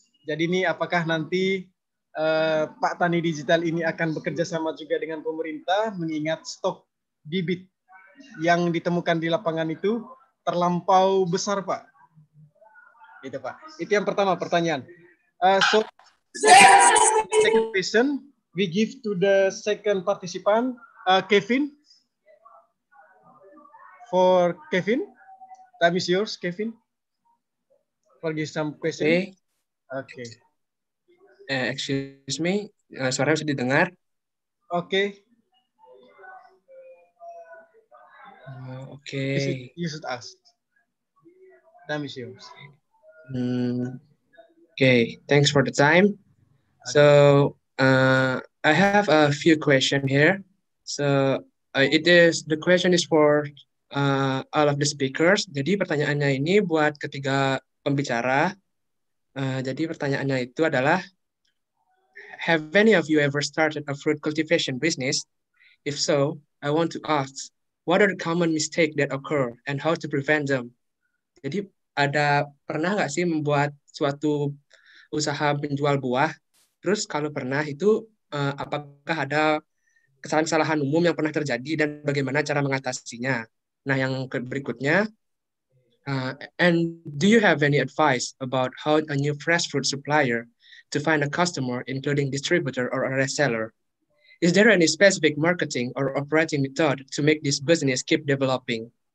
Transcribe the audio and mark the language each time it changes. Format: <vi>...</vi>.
<id>Jadi ini apakah nanti Pak Tani Digital ini akan bekerja sama juga dengan pemerintah mengingat stok bibit yang ditemukan di lapangan itu terlampau besar, Pak? Itu, Pak. Itu yang pertama pertanyaan.</id> <en>Second question, we give to the second participant, Kevin. For Kevin, time is yours, Kevin. For some question. Hey. Okay. Excuse me,</en> <id>suara bisa didengar?</id> <en>Okay. Okay. You should ask. Time is yours. Okay, thanks for the time. Okay. So, I have a few question here. So, the question is for all of the speakers.</en> <id>Jadi pertanyaannya ini buat ketiga pembicara. Jadi pertanyaannya itu adalah,</id> <en>have any of you ever started a fruit cultivation business? If so, I want to ask, what are the common mistakes that occur and how to prevent them?</en> <id>Jadi ada pernah nggak sih membuat suatu usaha menjual buah? Terus kalau pernah itu, apakah ada kesalahan-kesalahan umum yang pernah terjadi dan bagaimana cara mengatasinya? Nah, yang berikutnya,</id> <en>and do you have any advice about how a new fresh fruit supplier to find a customer, including distributor or a reseller? Is there any specific marketing or operating method to make this business keep developing?</en>